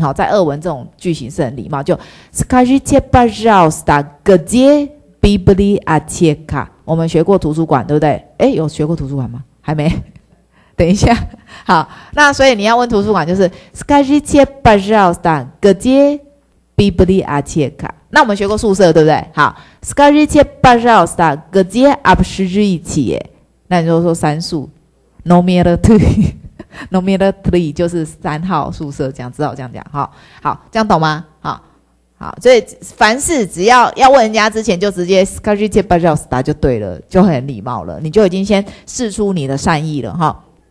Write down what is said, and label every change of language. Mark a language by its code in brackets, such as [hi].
[zh] 好，在俄文这种句型是很礼貌，就 [ru] Скажите, пожалуйста, где библиотека。 [zh] 我们学过图书馆，对不对？哎，有学过图书馆吗？还没。等一下，好。那所以你要问图书馆，就是 [ru] Скажите, пожалуйста, где библиотека。 [zh] 那我们学过宿舍，对不对？ [ru] 好 ，Скажите, пожалуйста, где общежитие？ [zh] 那你就说三宿 ， [ru] номер три， [zh] номер три 就是三号宿舍，这样知道这样讲？好，好，这样懂吗？好。好，所以凡事只要问人家之前，就直接 [ru] Скажите, пожалуйста [zh] 就对了，就很礼貌了，你就已经先示出你的善意了哈。